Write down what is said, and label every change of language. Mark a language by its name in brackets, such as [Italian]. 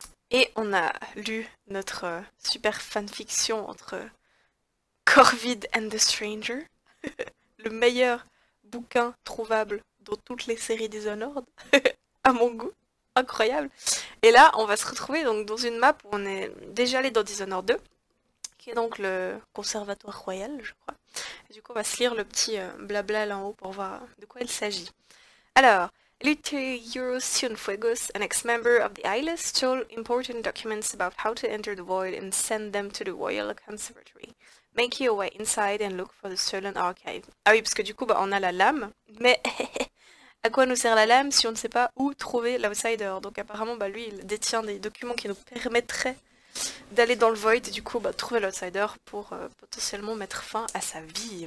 [French] Et on a lu notre super fanfiction entre Corvid and the Stranger, le meilleur bouquin trouvable dans toutes les séries Dishonored, à mon goût. Incroyable. Et là, on va se retrouver donc dans une map où on est déjà allé dans Dishonored 2, qui est donc le conservatoire royal, je crois. Et du coup, on va se lire le petit blabla là en haut pour voir de quoi il s'agit. [English] Alors, Lieutenant Cienfuegos, an ex-member of the Isles, stole important documents about how to enter the void and send them to the Royal Conservatory. Make your way inside and look for the stolen archive. [French] Ah oui, parce que du coup, bah, on a la lame, mais... À quoi nous sert la lame si on ne sait pas où trouver l'outsider? Donc apparemment, bah, lui, il détient des documents qui nous permettraient d'aller dans le void et du coup, bah, trouver l'outsider pour potentiellement mettre fin à sa vie.